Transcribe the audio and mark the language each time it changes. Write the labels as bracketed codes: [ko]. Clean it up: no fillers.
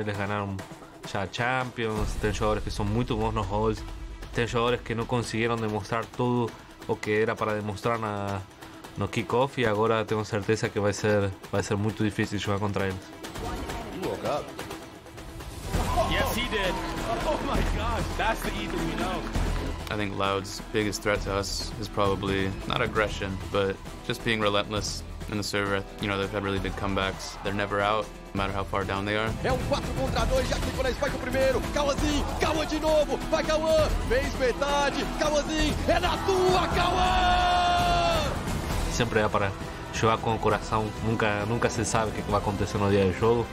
[pt] Eles ganharam já Champions, tem jogadores que são muito bons nos roles, tem jogadores que não conseguiram demonstrar tudo o que era para demonstrar no kickoff, e agora tenho certeza que vai ser muito difícil jogar contra eles. [en] Yes, he did. Oh my gosh, that's the Ethan we know. I think Loud's biggest threat to us is probably not aggression, but just being relentless in the server. You know, they've had really big comebacks. They're never out, no matter how far down they are. [pt] É um 4 contra 2, já clicou na spike o primeiro. Kawanzinho, Kawan de novo. Vai Kawan, fez metade. Kawanzinho, é na tua, Kawan! Sempre é para jogar com o coração. Nunca se sabe o que vai acontecer no dia do jogo.